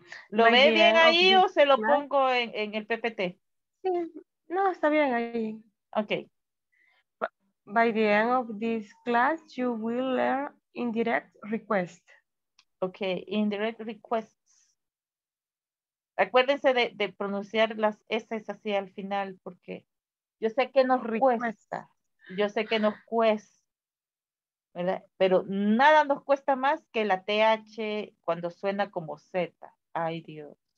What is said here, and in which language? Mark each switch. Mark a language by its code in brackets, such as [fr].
[es] ¿Lo ve bien ahí o se lo pongo en el PPT? No, está bien ahí. [en] Okay. By the end of this class, you will learn indirect requests. Okay, indirect requests. [es] Acuérdense de pronunciar las S así al final, porque yo sé que nos cuesta. Yo sé que nos cuesta, ¿verdad? Pero nada nos cuesta más que la TH cuando suena como Z. Ay, Dios.